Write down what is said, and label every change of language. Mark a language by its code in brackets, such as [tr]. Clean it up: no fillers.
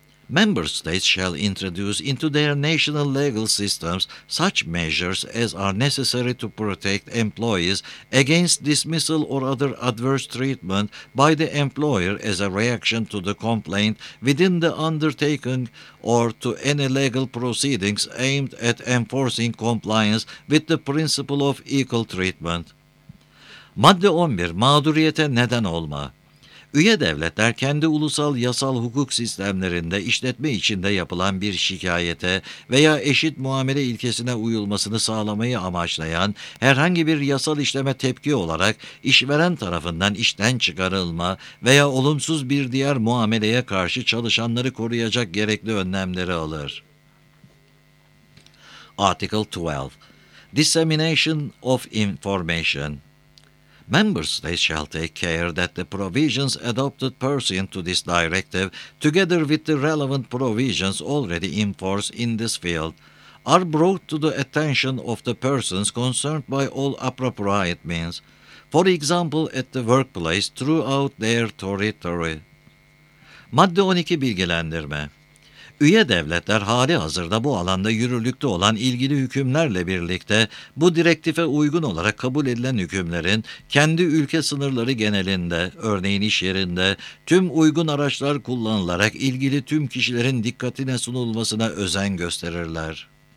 [en] Member states shall introduce into their national legal systems such measures as are necessary to protect employees against dismissal or other adverse treatment by the employer as a reaction to the complaint within the undertaking or to any legal proceedings aimed at enforcing compliance with the principle of equal treatment. [tr] Madde 11. Mağduriyete neden olma. Üye devletler kendi ulusal yasal hukuk sistemlerinde işletme içinde yapılan bir şikayete veya eşit muamele ilkesine uyulmasını sağlamayı amaçlayan herhangi bir yasal işleme tepki olarak işveren tarafından işten çıkarılma veya olumsuz bir diğer muameleye karşı çalışanları koruyacak gerekli önlemleri alır. [en] Article 12. Dissemination of Information. Member states shall take care that the provisions adopted pursuant to this directive, together with the relevant provisions already in force in this field, are brought to the attention of the persons concerned by all appropriate means, for example at the workplace throughout their territory. [tr] Madde 12 bilgilendirme. Üye devletler hali hazırda bu alanda yürürlükte olan ilgili hükümlerle birlikte bu direktife uygun olarak kabul edilen hükümlerin kendi ülke sınırları genelinde, örneğin iş yerinde, tüm uygun araçlar kullanılarak ilgili tüm kişilerin dikkatine sunulmasına özen gösterirler.